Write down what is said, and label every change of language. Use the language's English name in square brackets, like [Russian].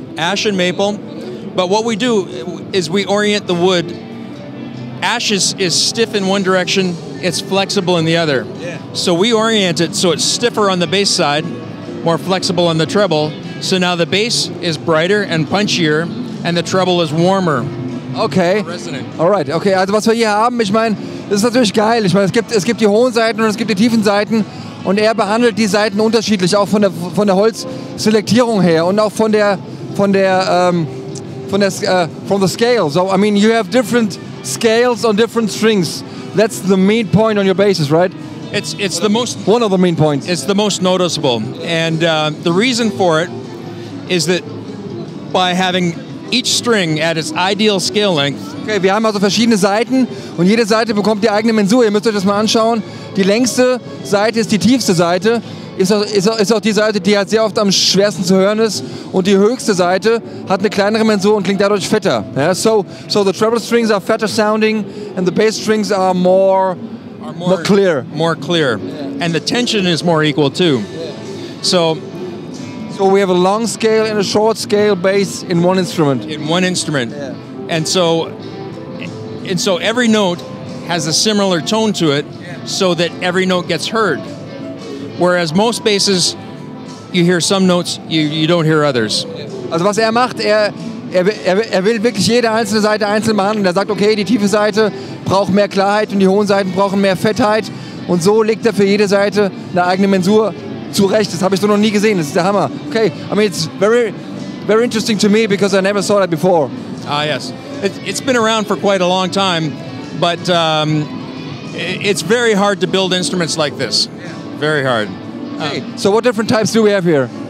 [English] Ash and maple, but what we do is we orient the wood. Ash is stiff in one direction, it's flexible in the other. Yeah. So we orient it so it's stiffer on the bass side, more flexible on the treble. So now the bass is brighter and punchier, and the treble is warmer. Okay. Resonant. All right, [German] okay, also was wir hier haben, ich meine, das ist natürlich geil. Ich meine, es gibt die hohen Seiten und es gibt die tiefen Seiten. Und er behandelt die Saiten unterschiedlich, auch von der Holzselektierung her und auch [English] from the scale. So, I mean, you have different scales on different strings. That's the main point on your basses, right? It's the most... One of the main points. It's the most noticeable. And the reason for it is that by having each string at its ideal scale length... [German] Okay, wir haben also verschiedene Saiten und jede Saite bekommt die eigene Mensur. Ihr müsst euch das mal anschauen. Die längste Seite ist die tiefste Seite, ist auch die Seite, die halt sehr oft am schwersten zu hören ist. Und die höchste Seite hat eine kleinere Mensur und klingt dadurch fetter. [English] Yeah? So the treble strings are fetter sounding and the bass strings are more clear. More clear. Yeah. And the tension is more equal too. Yeah. So we have a long scale and a short scale bass in one instrument. In one instrument. Yeah. And so every note has a similar tone to it. So that every note gets heard. Whereas most basses, you hear some notes, you don't hear others. [German] Also was er macht, er will wirklich jede einzelne Seite einzeln behandeln. Er sagt, okay, die tiefe Seite braucht mehr Klarheit und die hohen Seiten brauchen mehr Fettheit. Und so legt er für jede Seite eine eigene Mensur zurecht. Das habe ich so noch nie gesehen. Das ist der Hammer. [English] Okay, I mean, it's very, very interesting to me because I never saw that before. Ah, yes. It's been around for quite a long time, but... It's very hard to build instruments like this. Yeah. Very hard. Okay. So what different types do we have here?